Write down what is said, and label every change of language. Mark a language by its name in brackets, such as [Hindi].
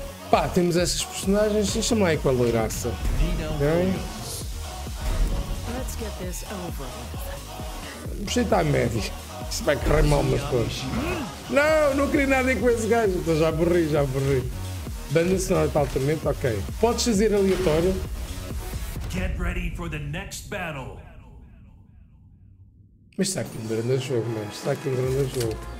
[Portuguese] Pá, temos essas personagens, deixa-me lá aí com a loiraça. Ok. Gostei de estar a média. Isso vai correr mal, mas pois. Não, não queria nada aí com esse gajo, então já morri. Banda sonora de altamente, ok. Podes fazer aleatório. [English] Get ready for the next battle. [Portuguese] Mas está aqui um grande jogo, mano. Está aqui um grande jogo.